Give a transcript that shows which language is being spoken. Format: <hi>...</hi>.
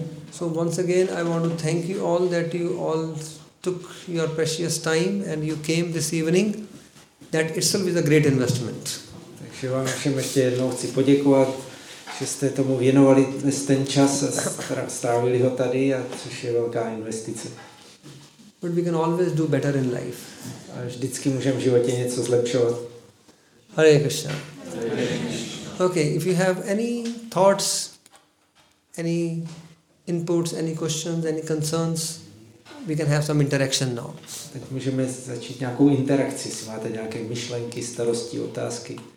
<en>So once again, I want to thank you all that you all took your precious time and you came this evening. That itself is a great investment.</en> <cs>Takže vám všem ještě jednou chci poděkovat, že jste tomu věnovali dnes ten čas a strávili ho tady, a což je velká investice.</cs> <en>But we can always do better in life.</en> <cs>A vždycky můžeme v životě něco zlepšovat.</cs> <en>Hare Krishna. Okay, if you have any thoughts, any inputs, any questions, any concerns, we can have some interaction now.</en> <cs>Tak můžeme začít nějakou interakci, jestli máte nějaké myšlenky, starosti, otázky.</cs>